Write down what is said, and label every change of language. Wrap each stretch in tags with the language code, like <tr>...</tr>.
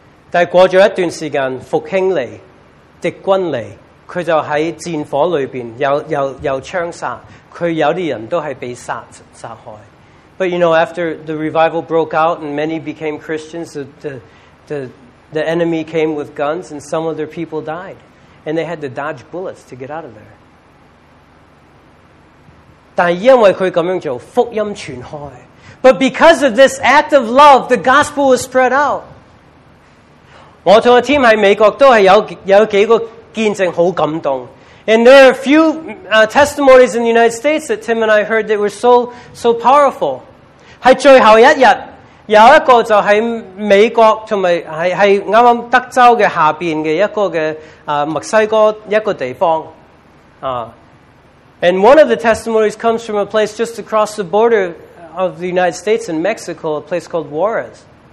<zh>但过了一段时间,复兴来,敌军来, 他就在战火里面有枪杀,他有些人都是被杀害.</zh> <en>But you know, after the revival broke out and many became Christians, the enemy came with guns and some of their people died. And they had to dodge bullets to get out of there.</en> <zh>但因为他这样做,福音传开.</zh> <en>But because of this act of love, the gospel was spread out.</en> <zh>我和我的team在美国都是有几个 见证很感动.</zh> <en>And there are a few testimonies in the United States that Tim and I heard that were so powerful.</en> <zh>在最后一天,有一个就在美国,还刚刚德州下面的一个墨西哥地方.</zh> <en>And one of the testimonies comes from a place just across the border of the United States in Mexico, a place called Juarez.</en>